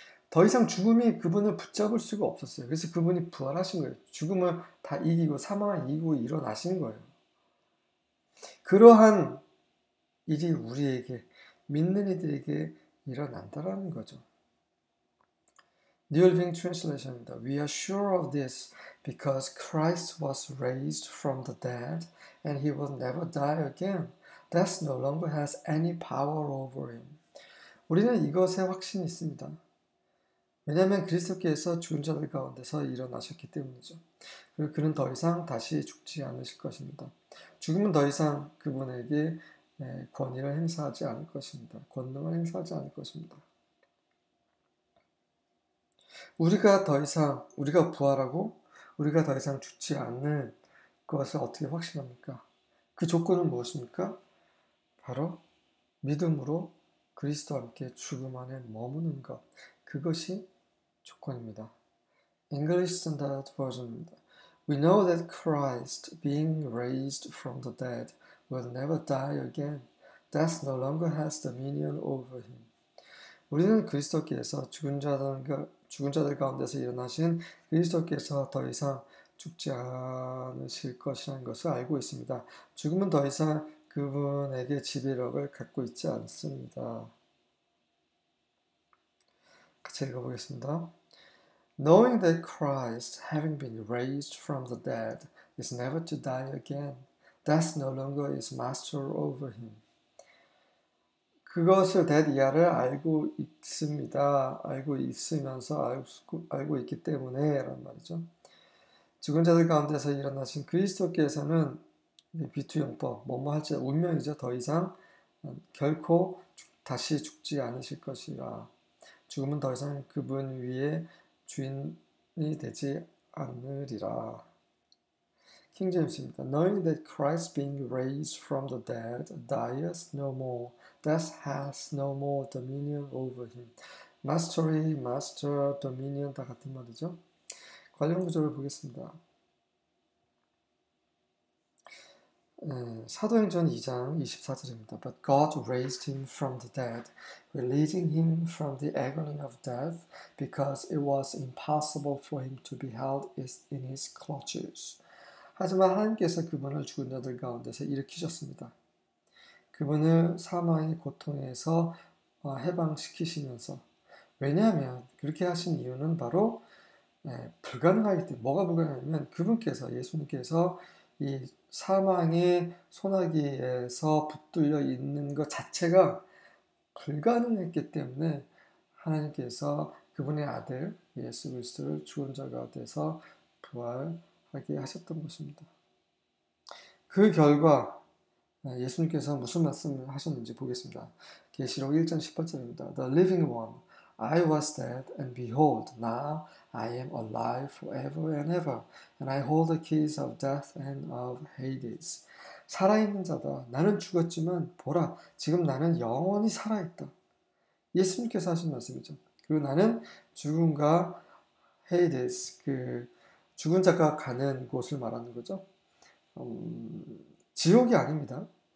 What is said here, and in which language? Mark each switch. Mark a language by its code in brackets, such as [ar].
[ko] 더 이상 죽음이 그분을 붙잡을 수가 없었어요. 그래서 그분이 부활하신 거예요. 죽음을 다 이기고 사망을 이기고 일어나신 거예요. 그러한 일이 우리에게 믿는 이들에게 일어난다라는 거죠. New Living Translation입니다. [en] We are sure of this because Christ was raised from the dead and he will never die again. Death no longer has any power over him. [ko] 우리는 이것에 확신이 있습니다. 왜냐하면 그리스도께서 죽은 자들 가운데서 일어나셨기 때문이죠. 그리고 그는 더 이상 다시 죽지 않으실 것입니다. 죽음은 더 이상 그분에게 권위를 행사하지 않을 것입니다. 권능을 행사하지 않을 것입니다. 우리가 더 이상, 우리가 부활하고, 우리가 더 이상 죽지 않는 것을 어떻게 확신합니까? 그 조건은 무엇입니까? 바로 믿음으로 그리스도와 함께 죽음 안에 머무는 것. 그것이 조건입니다. English Standard Version입니다. [en] We know that Christ, being raised from the dead, will never die again. Death no longer has dominion over him. [ko] 우리는 그리스도께서 죽은 자들 가운데서 일어나신 그리스도께서 더 이상 죽지 않으실 것이라는 것을 알고 있습니다. 죽음은 더 이상 그분에게 지배력을 갖고 있지 않습니다. 같이 읽어보겠습니다. [en] Knowing that Christ, having been raised from the dead, is never to die again, death no longer is master over him. [ko] 그것을 that 이하를 알고 있습니다. 알고 있으면서 알고 있기 때문에 라는 말이죠. 죽은 자들 가운데서 일어나신 그리스도께서는 비투영법, 뭐뭐 할지 운명이죠. 더 이상 결코 다시 죽지 않으실 것이라. 죽음은 더 이상 그분 위에 주인이 되지 않으리라. 킹제임스입니다. [en] Knowing that Christ being raised from the dead dies no more. Death has no more dominion over him. Mastery, master, dominion [ko] 다 같은 말이죠. 관련 구절을 보겠습니다. 사도행전 2장 24절입니다. [en] But God raised him from the dead, releasing him from the agony of death, because it was impossible for him to be held in his clutches. [ko] 하지만 하나님께서 그분을 죽은 자들 가운데서 일으키셨습니다. 그분을 사망의 고통에서 해방시키시면서 왜냐하면 그렇게 하신 이유는 바로 불가능하기 때문에 뭐가 불가능하냐면 그분께서 예수님께서 이 사망의 소나기에서 붙들려 있는 것 자체가 불가능했기 때문에 하나님께서 그분의 아들 예수 그리스도를 죽은 자 가운데서 부활하게 하셨던 것입니다. 그 결과 예수님께서 무슨 말씀을 하셨는지 보겠습니다. 계시록 1장 18절입니다. [en] The living one, I was dead, and behold, now I am alive forever and ever, and I hold the keys of death and of Hades. [ko] 살아있는 자다. 나는 죽었지만 보라, 지금 나는 영원히 살아있다. 예수님께서 하신 말씀이죠. 그리고 나는 죽음과 헤이데스, 그 죽은 자가 가는 곳을 말하는 거죠. 지옥이 아닙니다.